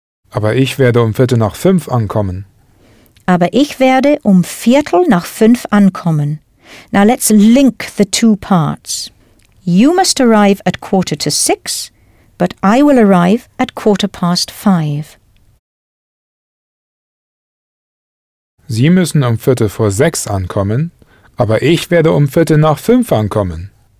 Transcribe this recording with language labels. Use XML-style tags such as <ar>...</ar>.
<de>Aber ich werde um Viertel nach fünf ankommen. Aber ich werde um Viertel nach fünf ankommen.</de> <en>Now let's link the two parts. You must arrive at 5:15, but I will arrive at 5:15.</en> <de>Sie müssen um 6:15 ankommen, aber ich werde um 5:15 ankommen.</de>